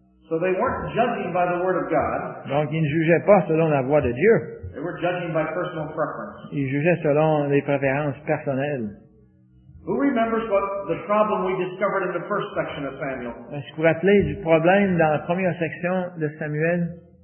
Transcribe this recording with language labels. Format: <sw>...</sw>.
<en>So they weren't judging by the word of God.</en> <fr>Donc ils ne jugeaient pas selon la voix de Dieu.</fr> <en>They were judging by personal preference.</en> <fr>Ils jugeaient selon les préférences personnelles.</fr> <en>Who remembers what the problem we discovered in the first section of Samuel?</en> <fr>Est-ce que vous vous rappelez du problème dans la première section de Samuel?</fr>